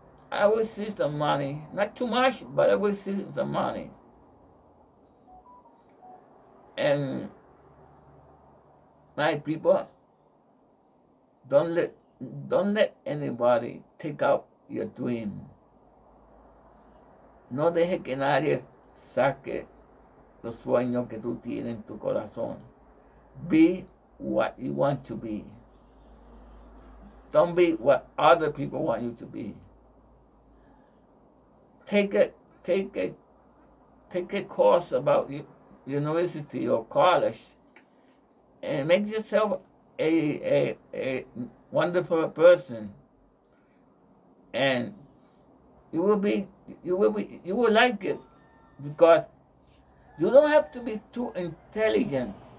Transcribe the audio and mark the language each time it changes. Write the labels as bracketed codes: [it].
[en] I will see some money, not too much, but I will see some money. And my people, don't let anybody take out your dream. [es] No deje que nadie saque los sueños que tú tienes en tu corazón. [en] Be what you want to be. Don't be what other people want you to be. Take a course about you. University or college, and make yourself a wonderful person, and you will like it, because you don't have to be too intelligent.